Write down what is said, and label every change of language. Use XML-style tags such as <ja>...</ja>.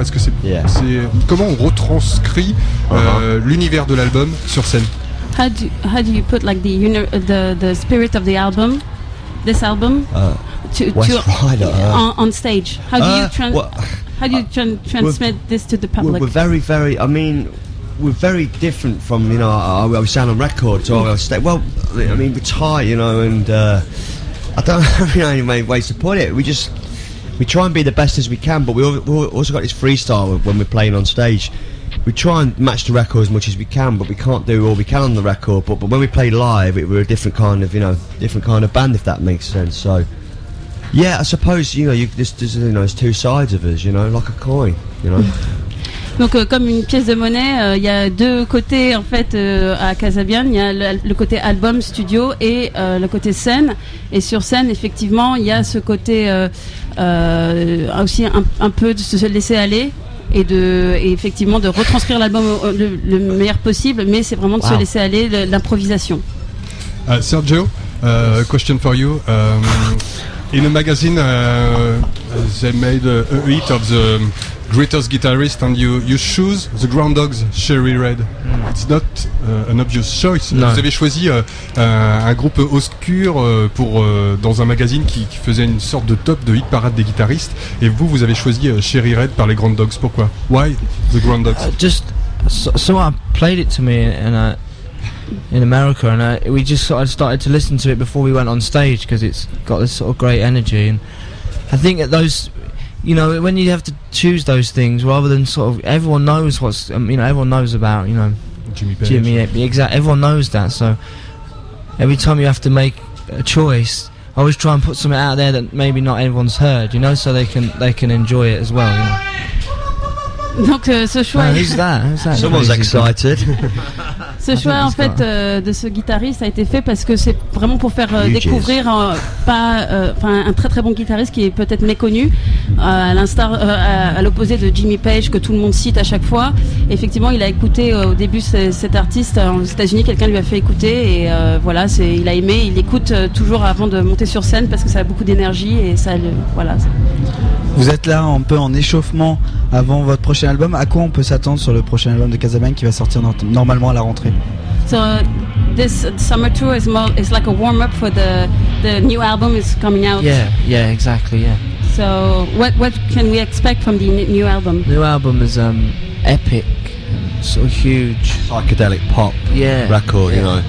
<fr>Est-ce que c'est comment on retranscrit l'univers de l'album sur scène?</fr> <en>How do you put like the spirit of the album, this album, on stage? How do you transmit this to the public? We're very, very. I mean, we're very different from, you know, how we sound on record to our stage. Well, I mean, we're tight, you know, and I don't have any ways to put it. We try and be the best as we can, but we also got this freestyle when we're playing on stage. We try and match the record as much as we can, but we can't do all we can on the record. But when we play live, we're a different kind of, you know, different kind of band, if that makes sense. So Yeah, I suppose, you know, there's two sides of us, you know, like a coin, you know.</en> <fr>Donc comme une pièce de monnaie, il y a deux côtés en fait à Casabian. Il y a le côté album studio et le côté scène. Et sur scène, effectivement, il y a ce côté aussi un peu de se laisser aller et effectivement de retranscrire l'album le meilleur possible. Mais c'est vraiment de se laisser aller, l'improvisation.</fr> <en>Sergio, question for you. In a magazine, they made a hit of the greatest guitarist, and you choose the Ground Dogs, Sherry Red. Mm. It's not an obvious choice.</en> <fr>No. Vous avez choisi un groupe obscur pour dans un magazine qui faisait une sorte de top de hit parade des guitaristes, et vous avez choisi Sherry Red par les Ground Dogs.</fr> <en>Pourquoi? Why the Ground Dogs? Just someone played it to me in America, and we just sort of started to listen to it before we went on stage because it's got this sort of great energy, and I think that those. You know, when you have to choose those things, rather than sort of, everyone knows what's, you know, everyone knows about, you know, Jimmy Page. Everyone knows that, so every time you have to make a choice, I always try and put something out there that maybe not everyone's heard, you know, so they can enjoy it as well, you know.</en> <fr>Donc, ce choix.</fr> <en>Ouais, who's that? Someone's excited.</en> <fr>Ce choix, en fait, de ce guitariste a été fait parce que c'est vraiment pour faire découvrir un très très bon guitariste qui est peut-être méconnu, à l'opposé de Jimmy Page que tout le monde cite à chaque fois. Et effectivement, il a écouté au début cet artiste aux États-Unis, quelqu'un lui a fait écouter et voilà, il a aimé, il écoute toujours avant de monter sur scène parce que ça a beaucoup d'énergie et ça. Voilà. Vous êtes là un peu en échauffement avant votre prochain album. À quoi on peut s'attendre sur le prochain album de Casabian qui va sortir normalement à la rentrée?</fr> <en>So this summer tour is more is like a warm up for the new album is coming out. Yeah, yeah, exactly, yeah. So what can we expect from the new album? The new album is epic, so huge psychedelic pop record, you know.</en>